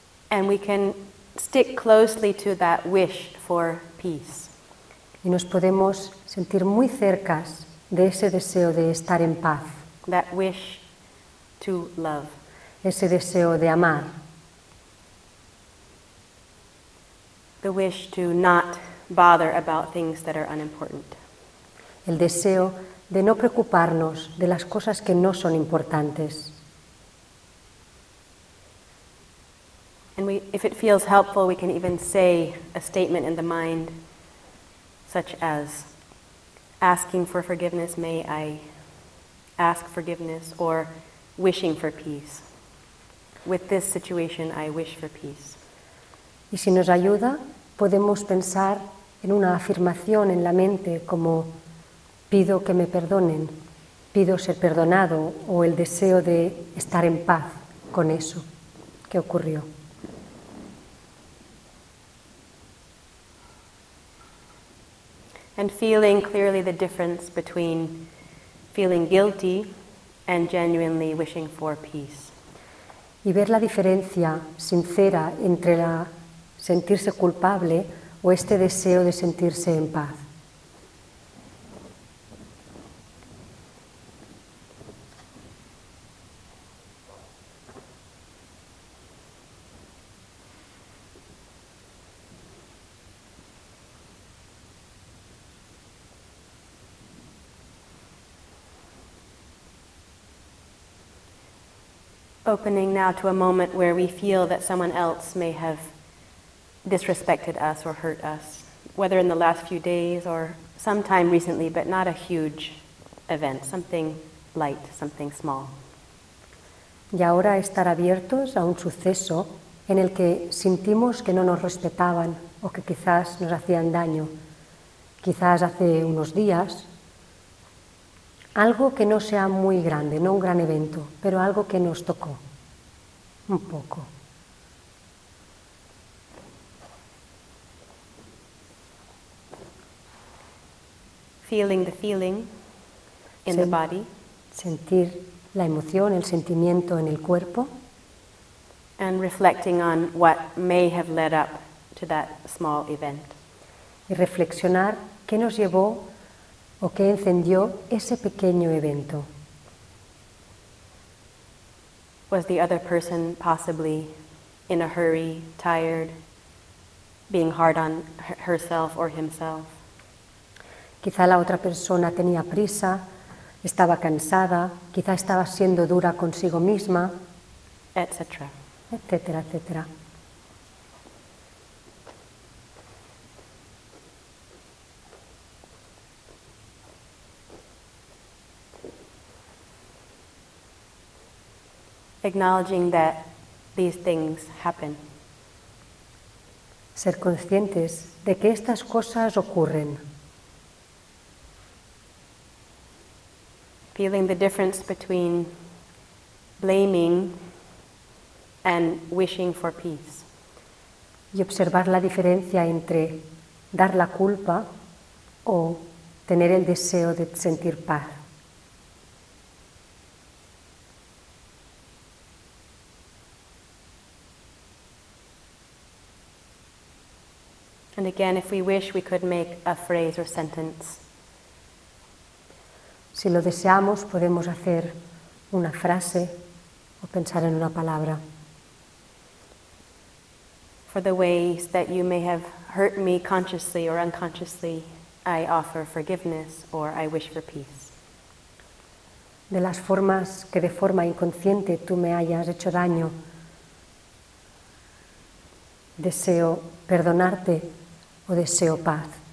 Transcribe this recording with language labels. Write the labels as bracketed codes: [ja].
[en] And we can stick closely to that wish for peace. [es] Y nos podemos sentir muy cercas de ese deseo de estar en paz. [en] That wish to love. [es] Ese deseo de amar. [en] The wish to not bother about things that are unimportant. [es] El deseo de no preocuparnos de las cosas que no son importantes. [en] And we, if it feels helpful, we can even say a statement in the mind, such as asking for forgiveness, may I ask forgiveness, or wishing for peace. With this situation, I wish for peace. [es] Y si nos ayuda, podemos pensar en una afirmación en la mente como pido que me perdonen, pido ser perdonado o el deseo de estar en paz con eso que ocurrió. [en] And feeling clearly the difference between feeling guilty and genuinely wishing for peace. [es] Y ver la diferencia sincera entre la sentirse culpable o este deseo de sentirse en paz. [en] opening now to a moment where we feel that someone else may have disrespected us or hurt us, whether in the last few days or sometime recently, but not a huge event, something light, something small. [es] Y ahora estar abiertos a un suceso en el que sentimos que no nos respetaban o que quizás nos hacían daño, quizás hace unos días, algo que no sea muy grande, no un gran evento, pero algo que nos tocó un poco. [en] Feeling the feeling in the body. [es] Sentir la emoción, el sentimiento en el cuerpo. [en] And reflecting on what may have led up to that small event. [es] Y reflexionar qué nos llevó o qué encendió ese pequeño evento. [en] Was the other person possibly in a hurry, tired, being hard on herself or himself? [es] Quizá la otra persona tenía prisa, estaba cansada, quizá estaba siendo dura consigo misma, etcétera, etcétera, etcétera. [en] Acknowledging that these things happen. [es] Ser conscientes de que estas cosas ocurren. [en] Feeling the difference between blaming and wishing for peace. [es] Y observar la diferencia entre dar la culpa o tener el deseo de sentir paz. [en] And again, if we wish, we could make a phrase or sentence. [es] Si lo deseamos, podemos hacer una frase o pensar en una palabra. [en] For the ways that you may have hurt me consciously or unconsciously, I offer forgiveness or I wish for peace. [es] De las formas que de forma inconsciente tú me hayas hecho daño, deseo perdonarte o deseo paz.